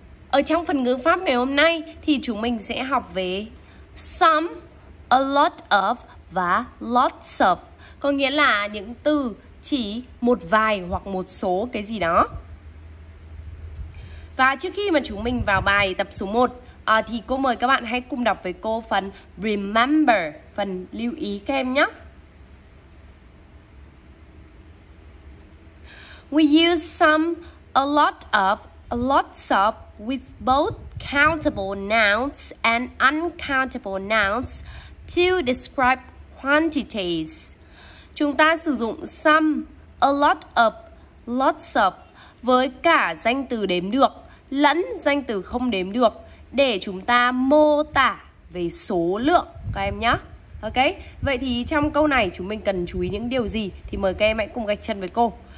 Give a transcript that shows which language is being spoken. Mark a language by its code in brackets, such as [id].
[vi] Ở trong phần ngữ pháp ngày hôm nay thì chúng mình sẽ học về some, a lot of và lots of, có nghĩa là những từ chỉ một vài hoặc một số cái gì đó. Và trước khi mà chúng mình vào bài tập số 1 thì cô mời các bạn hãy cùng đọc với cô phần remember, phần lưu ý các em nhé. [en] We use some, a lot of, lots of with both countable nouns and uncountable nouns to describe quantities. [vi] Chúng ta sử dụng some, a lot of, lots of với cả danh từ đếm được lẫn danh từ không đếm được để chúng ta mô tả về số lượng các em nhé. Ok, vậy thì trong câu này chúng mình cần chú ý những điều gì thì mời các em hãy cùng gạch chân với cô.